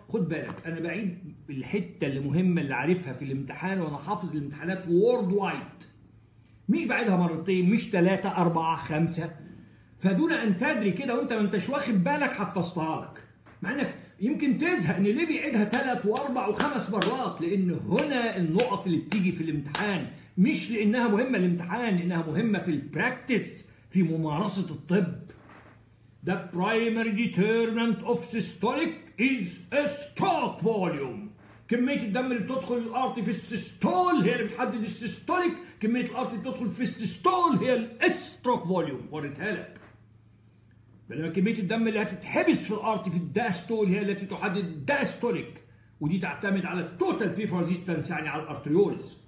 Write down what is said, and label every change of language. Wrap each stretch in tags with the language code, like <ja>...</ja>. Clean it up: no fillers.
<ar>خد بالك انا بعيد الحته اللي مهمه اللي عارفها في الامتحان، وانا حافظ الامتحانات وورد وايد، مش بعيدها مرتين مش ثلاثة أربعة خمسة، فدون ان تدري كده وانت ما انتش واخد بالك حفظتها لك، مع انك يمكن تزهق ان ليه بيعيدها ثلاث واربع وخمس مرات، لان هنا النقط اللي بتيجي في الامتحان مش لانها مهمه الامتحان، لانها مهمه في البراكتس في ممارسه الطب.</ar> <en>The primary determinant of systolic is a stroke volume.</en> <ar>كميه الدم اللي بتدخل الارتي في السيستول هي اللي بتحدد السيستوليك، كميه الارتي اللي بتدخل في السيستول هي الاستروك فوليوم. وريتها لك. بينما كميه الدم اللي هتتحبس في الارتي في الداستول هي التي تحدد الداستوليك، ودي تعتمد على التوتال بيفر ريزيستنس يعني على الارتريولز.</ar>